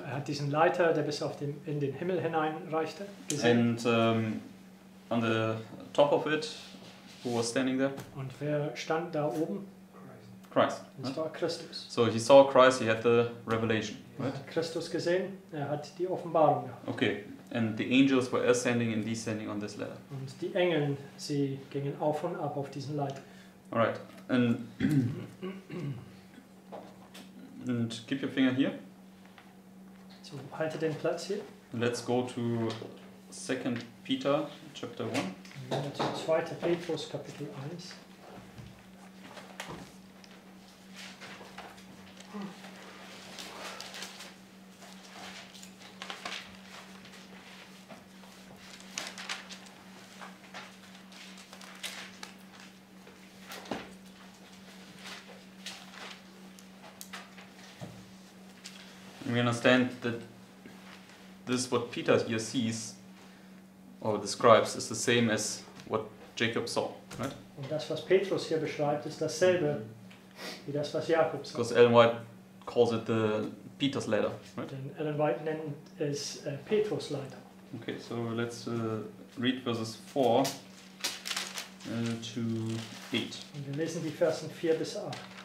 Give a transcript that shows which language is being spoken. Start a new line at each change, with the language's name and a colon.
German: Er hat diesen Leiter, der bis auf den, in den Himmel hineinreichte, gesehen.
English: And on the top of it, who was standing there?
German: Und wer stand da oben?
English: Christ. Right? Christus. So he saw Christ, he had the revelation. Right?
German: Christus gesehen, er hat die Offenbarung gehabt.
English: Okay, and the angels were ascending and descending on this ladder.
German: Und die Engel, sie gingen auf und ab auf diesen Leiter.
English: All right, and keep your finger here.
German: So halte den Platz hier.
English: Let's go to 2 Peter chapter 1.
German: 2. Petrus Kapitel 1.
English: We understand that this, what Peter here sees or describes, is the same as what Jacob saw, right?
German: Und das, was Petrus hier beschreibt, ist dasselbe wie das, was Jakob sah.
English: Because Ellen White calls it the Peter's ladder, right?
German: Denn Ellen White nennt es Petrus' Leiter.
English: Okay, so let's read verses 4 to 8.
German: Und wir lesen die Versen 4 bis 8.